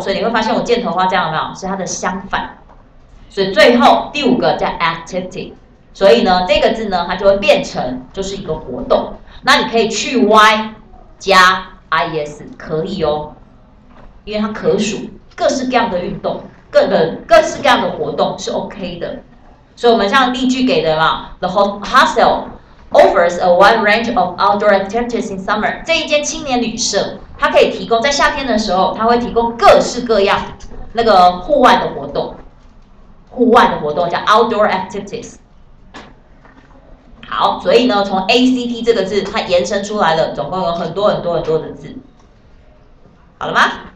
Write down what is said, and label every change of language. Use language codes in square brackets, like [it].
[zh] 所以你会发现我箭头画这样有没有？是它的相反。所以最后第五个叫 activity， 所以呢这个字呢它就会变成就是一个活动。那你可以去 y 加 is 可以哦，因为它可数各式各样的运动。各式各样的活动是 OK 的，所以我们像例句给的嘛 ， [en] The hostel offers a wide range of outdoor activities in summer。 [zh] 这一间青年旅社，它可以提供在夏天的时候，它会提供各式各样那个户外的活动，户外的活动叫 outdoor activities。好，所以呢，从 ACT 这个字它延伸出来了，总共有很多很多很多的字，好了吗？